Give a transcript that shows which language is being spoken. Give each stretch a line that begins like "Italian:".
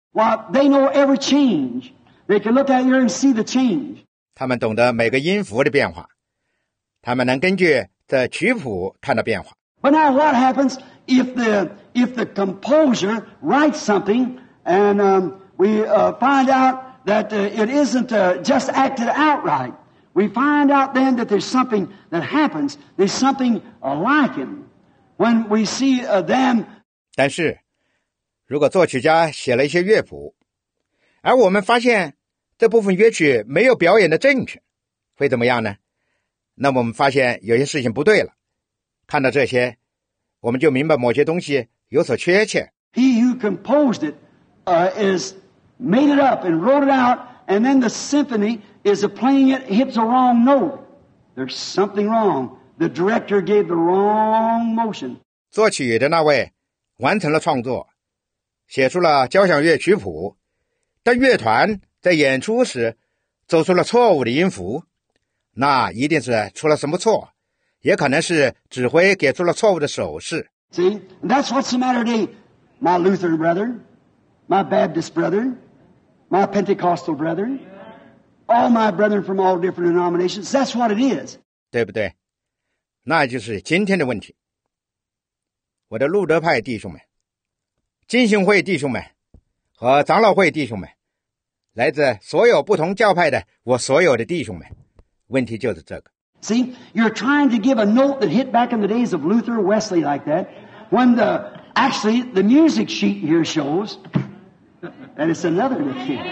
English: Well, they know every change. They can look out here and see the change.
Chinese: 他们懂得每个音符的变化，他们能根据这曲谱看到变化。
English: But now what happens if the composer writes something and we find out that it isn't just acted outright? We find out then that there's something that happens. There's something like him when we see them.
Chinese: 但是如果作曲家写了一些乐谱，而我们发现这部分乐曲没有表演的证据，会怎么样呢？那么我们发现有些事情不对了。看到这些，我们就明白某些东西有所缺陷。
English: He who composed it, is made it up and wrote it out, and then the symphony is playing it hits a wrong note. There's something wrong. The director gave the wrong motion.
Chinese: 作曲的那位完成了创作，写出了交响乐曲谱，但乐团在演出时走出了错误的音符，那一定是出了什么错，也可能是指挥给出了错误的手势。
English: See, that's what's the matter today, my Lutheran brethren, my Baptist brethren, my Pentecostal brethren, all my brethren from all different denominations. That's what it is.
Chinese: 对不对？那就是今天的问题，我的路德派弟兄们。浸信会弟兄们和长老会弟兄们，来自所有不同教派的我所有的弟兄们，问题就是这个。
English: See, you're trying to give a note that hit back in the days of Luther, Wesley, like that, when the, actually, the music sheet here shows that it's another note.